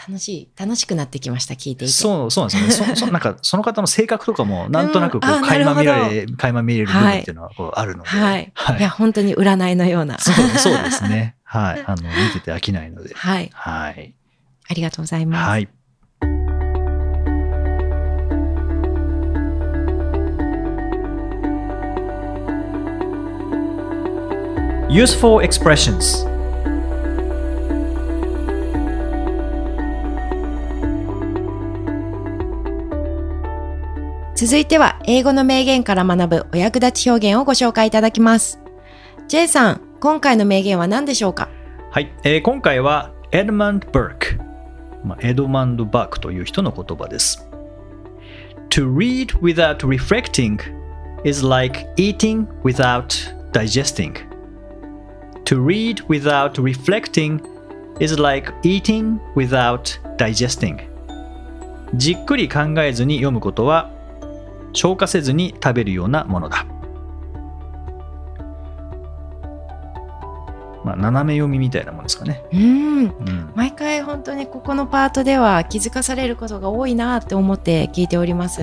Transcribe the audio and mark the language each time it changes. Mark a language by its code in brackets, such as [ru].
[ja] 楽しくなってきました聞いていて。そう、そうなんですね。なんかその方の性格とかもなんとなくこう、うん、垣間見れる部分っていうのはこうあるので、はいはい、はい、いや本当に占いのようなそうですね、はい、あの見てて飽きないので、はいはい、ありがとうございます、 [en] はい、Useful expressions。 [ja] 続いては英語の名言から学ぶお役立ち表現をご紹介いただきます。 J さん、今回の名言は何でしょうか。はい、今回はエドマンド・バーク、まあ、エドマンド・バークという人の言葉です。 [en] To read without reflecting is like eating without digesting. To read without reflecting is like eating without digesting. [ja] じっくり考えずに読むことは消化せずに食べるようなものだ、まあ、斜め読みみたいなものですかね。うん、うん、毎回本当にここのパートでは気づかされることが多いなって思って聞いております。